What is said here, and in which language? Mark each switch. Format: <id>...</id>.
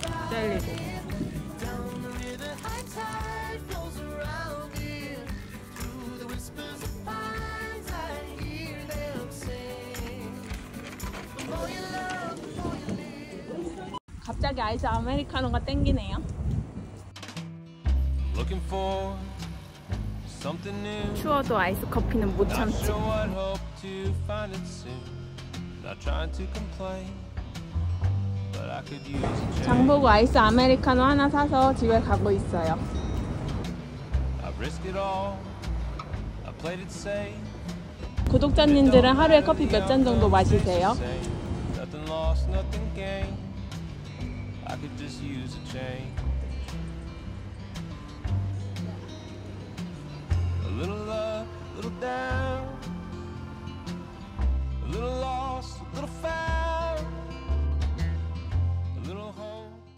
<ko>젤리도 갑자기 아이스 아메리카노가 땡기네요.</ko> <en>Looking for something new.</en> <ko>추워도 아이스 커피는 못 참지.</ko> <en>Not sure I hope to find it soon. Not trying to complain. But I could use a change.</en> <ko>장 보고 아이스 아메리카노 하나 사서 집에 가고 있어요.</ko> <en>I've risked it all. I played it safe.</en> <ko>구독자님들은 하루에 커피 몇 잔 정도 마시세요?</ko> <en>Nothing lost, nothing gained. I could just use a change. A little up, a little down. A little lost, a little found. A little home.</en>